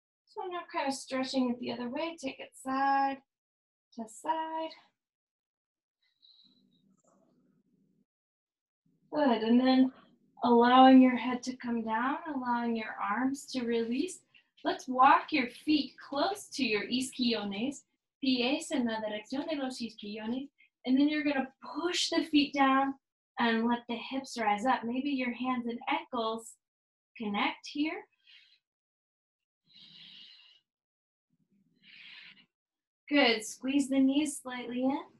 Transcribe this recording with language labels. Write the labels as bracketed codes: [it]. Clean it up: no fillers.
[en] So I'm now kind of stretching it the other way. Take it side to side. Good. And then allowing your head to come down, allowing your arms to release. Let's walk your feet close to your isquiones. [es] Pies en la dirección de los isquiones. [en] And then you're going to push the feet down and let the hips rise up. Maybe your hands and ankles connect here. Good. Squeeze the knees slightly in.